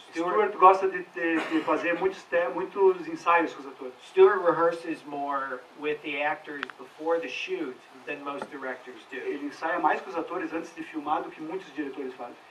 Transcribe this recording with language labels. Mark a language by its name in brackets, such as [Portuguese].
[Portuguese] Stewart gosta de fazer muitos ensaios com os atores. [English] Stewart rehearses more with the actors before the shoot than most directors do. [Portuguese] Ele ensaia mais com os atores antes de filmar do que muitos diretores fazem.